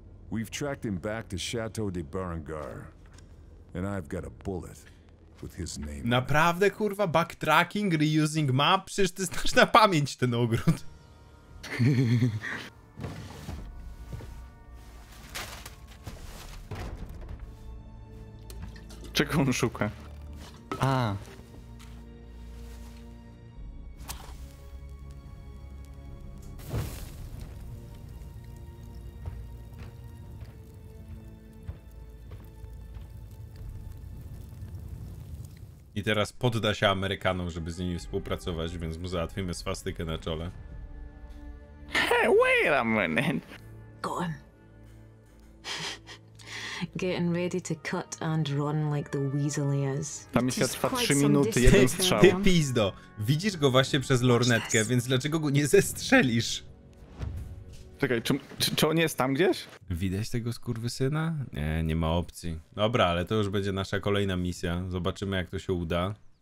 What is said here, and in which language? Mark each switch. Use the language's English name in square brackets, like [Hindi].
[English] We've tracked him back to Chateau de Berengar, and I've got a bullet with his name. [Polish] Naprawdę, kurwa, [English] backtracking, reusing map? [Polish] Przecież ty znasz na pamięć ten ogród. Czego on szuka? A. I teraz podda się Amerykanom, żeby z nimi współpracować, więc mu załatwimy swastykę na czole. [English] Hey, wait a minute. Go on. Getting ready to cut and run like the weasel he is. [Polish] Ta misja trwa 3 minuty, jeden strzał. Ty pizdo, widzisz go właśnie przez lornetkę, więc dlaczego go nie zestrzelisz? Czekaj, czy on jest tam gdzieś? Widać tego skurwysyna? Nie, nie ma opcji. Dobra, ale to już będzie nasza kolejna misja. Zobaczymy, jak to się uda.